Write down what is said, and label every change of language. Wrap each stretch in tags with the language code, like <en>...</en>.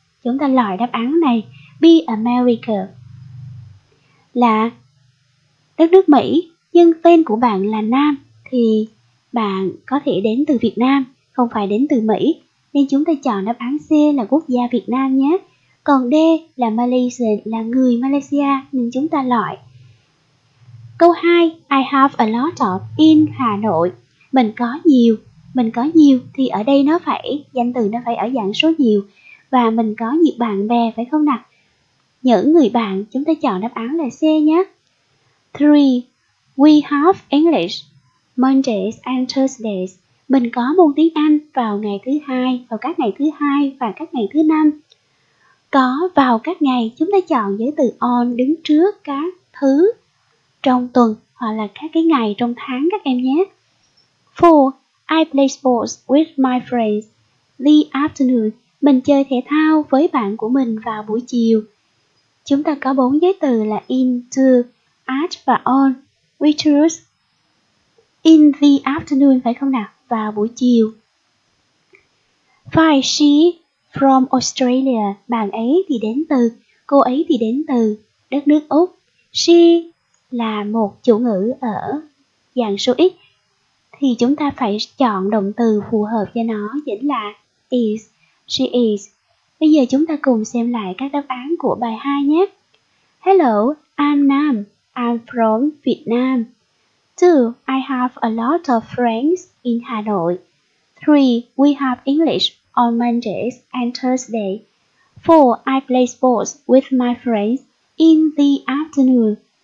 <vi>Chúng ta loại đáp án này. Be America là đất nước Mỹ, nhưng tên của bạn là Nam thì bạn có thể đến từ Việt Nam, không phải đến từ Mỹ, nên chúng ta chọn đáp án C là quốc gia Việt Nam nhé. Còn D là Malaysia, là người Malaysia, nên chúng ta loại. Câu 2,</vi> <en>I have a lot of in Hà Nội.</en> <vi>Mình có nhiều thì ở đây nó phải, danh từ nó phải ở dạng số nhiều, và mình có nhiều bạn bè phải không nào? Những người bạn, chúng ta chọn đáp án là C nhé. 3.</vi> <en>We have English Mondays and Thursdays.</en> <vi>Mình có môn tiếng Anh vào ngày thứ hai, vào các ngày thứ hai và các ngày thứ năm. Có vào các ngày, chúng ta chọn giới từ on đứng trước các thứ trong tuần hoặc là các cái ngày trong tháng các em nhé. 4.</vi> <en>I play sports with my friends the afternoon.</en> <vi>Mình chơi thể thao với bạn của mình vào buổi chiều. Chúng ta có bốn giới từ là in, to, at và on.</vi> <en>We choose in the afternoon,</en> <vi>phải không nào? Vào buổi chiều. 5.</vi> <en>She from Australia.</en> <vi>Bạn ấy thì đến từ, cô ấy thì đến từ đất nước Úc. She là một chủ ngữ ở dạng số ít. Thì chúng ta phải chọn động từ phù hợp cho nó, chính là is, she is. Bây giờ chúng ta cùng xem lại các đáp án của bài 2 nhé.</vi> <en>Hello, I'm Nam. I'm from Vietnam. 2. I have a lot of friends in Hà Nội. 3. We have English on Mondays and Thursday. 4. I play sports with my friends in the afternoon.</en>